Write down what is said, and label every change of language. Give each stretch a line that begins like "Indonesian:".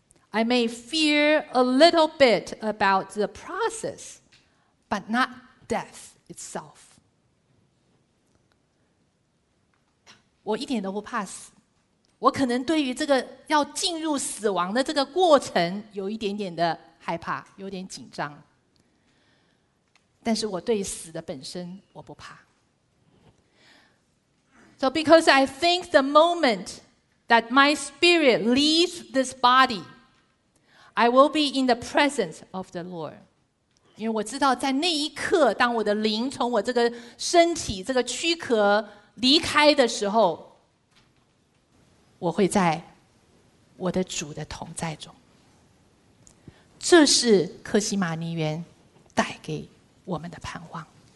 English: I may fear a little bit about the process, but not death itself.
Chinese: 我一点都不怕死，我可能对于这个要进入死亡的这个过程有一点点的害怕，有点紧张，但是我对死的本身我不怕。
English: So because I think the moment that my spirit leaves this body, I will be in the presence of the Lord.
Chinese: 因为我知道在那一刻，当我的灵从我这个身体这个躯壳离开的时候，我会在我的主的同在中。这是克西玛尼园带给我们的盼望。